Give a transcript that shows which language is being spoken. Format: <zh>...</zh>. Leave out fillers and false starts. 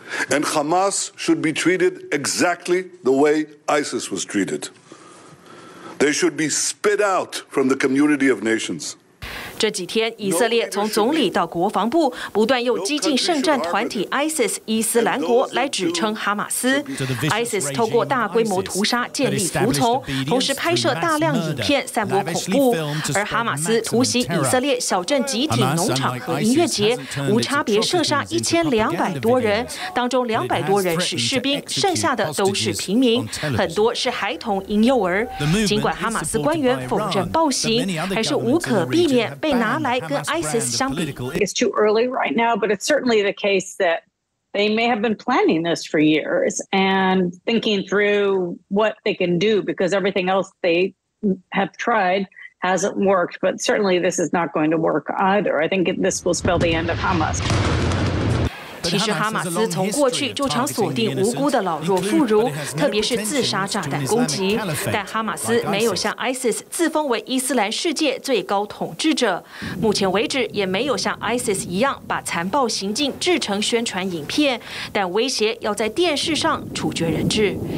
<en>And Hamas should be treated exactly the way ISIS was treated. They should be spit out from the community of nations.</en> <zh>这几天，以色列从总理到国防部不断用激进圣战团体 ISIS 伊斯兰国来指称哈马斯。 ISIS 透过大规模屠杀建立服从，同时拍摄大量影片散播恐怖。而哈马斯突袭以色列小镇集体农场和音乐节，无差别射杀1200多人，当中200多人是士兵，剩下的都是平民，很多是孩童、婴幼儿。尽管哈马斯官员否认暴行，还是无可避免。被拿来跟 ISIS 相比。</zh> <en>It's too early right now, but it's certainly the case that They may have been planning this for years and thinking through what they can do, because everything else they have tried hasn't worked. But certainly this is not going to work either. I think this will spell the end of Hamas.</en> <zh>其实哈马斯从过去就常锁定无辜的老弱妇孺，特别是自杀炸弹攻击，但哈马斯没有向 ISIS 自封为伊斯兰世界最高统治者，目前为止也没有像 ISIS 一样把残暴行径制成宣传影片，但威胁要在电视上处决人质。</zh>